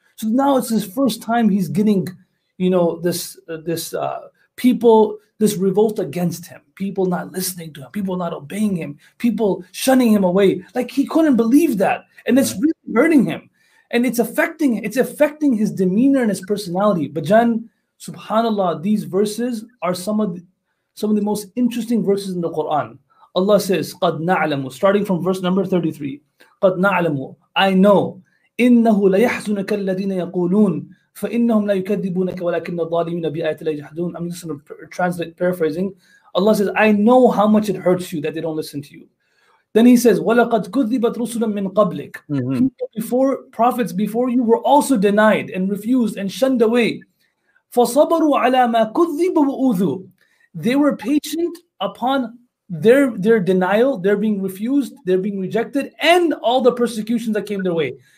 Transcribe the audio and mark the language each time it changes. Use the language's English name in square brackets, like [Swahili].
[English] So now it's his first time he's getting, you know, this revolt against him, people not listening to him, people not obeying him, people shunning him away. Like, he couldn't believe that. And it's really hurting him. And it's affecting his demeanor and his personality. Bajan, subhanAllah, these verses are some of the most interesting verses in the Quran. Allah says, [Arabic] قَدْ نَعْلَمُ, [English] starting from verse number 33, [Arabic] قَدْ نَعْلَمُ, [English] I know, [Arabic] إِنَّهُ لَيَحْزُنَكَ الَّذِينَ يَقُولُونَ فَإِنَّهُمْ لَا يُكَذِّبُونَكَ وَلَكِنَّ الظَّالِمِينَ بِآيَاتِ اللَّهِ يَجْحَدُونَ. [English] I'm just going to translate, paraphrasing. Allah says, I know how much it hurts you that they don't listen to you. Then He says, [Arabic] وَلَقَدْ كُذِّبَتْ رُسُلًا مِّن قَبْلِكَ. [English] People before, prophets before you were also denied and refused and shunned away. [Arabic] فَصَبَرُوا عَلَى مَا كُذِّبُوا وَأُوذُوا. [English] They were patient upon their denial, their being refused, their being rejected, and all the persecutions that came their way.